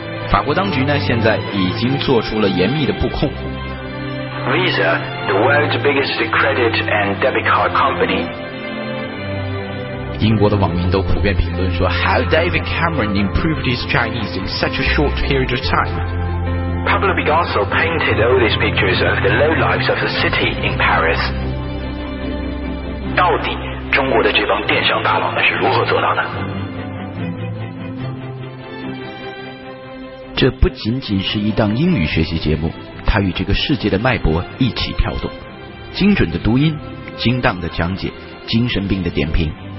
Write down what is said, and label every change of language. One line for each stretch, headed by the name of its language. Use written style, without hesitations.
Chinese: 法国当局呢，现在已经做出了严密的布控。
English: Visa, the world's biggest credit and debit card company.
Chinese: 英国的网民都普遍评论说
English: ，How David Cameron improved his Chinese in such a short period of time? Pablo Picasso painted all these pictures of the low lives of the city in Paris.
Chinese: 到底中国的这帮电商大佬们是如何做到的？这不仅仅是一档英语学习节目，它与这个世界的脉搏一起跳动，精准的读音，精当的讲解，精神病的点评。